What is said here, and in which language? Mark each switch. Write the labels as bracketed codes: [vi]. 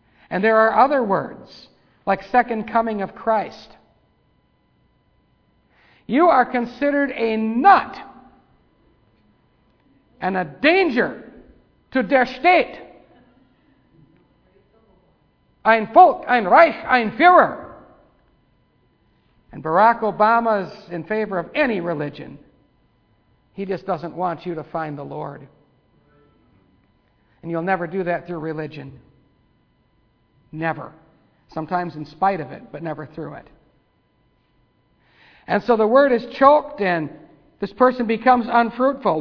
[en] And there are other words, like second coming of Christ. You are considered a nut and a danger to [de] der Staat. Ein Volk, ein Reich, ein Führer. [en] And Barack Obama is in favor of any religion. He just doesn't want you to find the Lord. And you'll never do that through religion. Never. Sometimes in spite of it, but never through it. And so the word is choked and this person becomes unfruitful.